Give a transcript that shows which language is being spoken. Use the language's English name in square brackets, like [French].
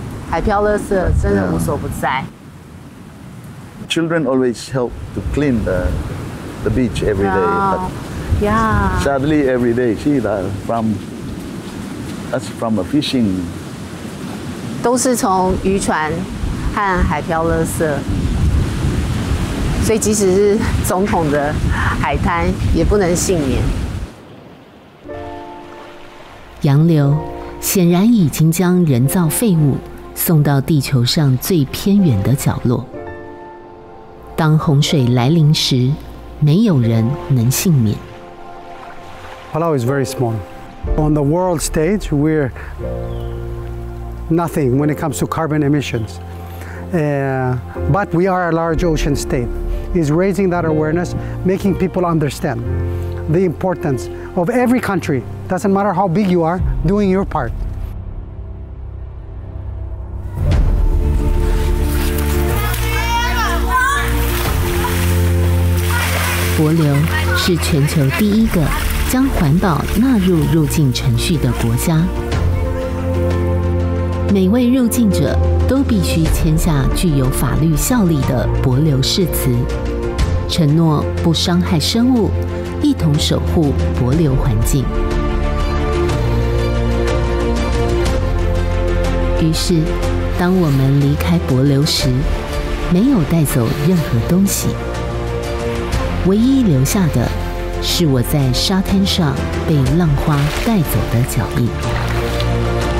[Chinese] 海漂垃圾真的无所不在。 [English] Children always help to clean the beach every day. But sadly, every day. See, that's from a fishing. [Chinese] 都是从渔船和海漂垃圾。所以即使是总统的海滩也不能幸免。洋流显然已经将人造废物送到地球上最偏远的角落。当洪水来临时，没有人能幸免。 [English] Palau is very small. On the world stage, we're nothing when it comes to carbon emissions. But we are a large ocean state. It's raising that awareness, making people understand the importance of every country, doesn't matter how big you are, doing your part. Pulio is the first country in the world to include the environmental process in the entry process. [Chinese] 都必须签下具有法律效力的帛琉誓词，承诺不伤害生物，一同守护帛琉环境。于是，当我们离开帛琉时，没有带走任何东西，唯一留下的是我在沙滩上被浪花带走的脚印。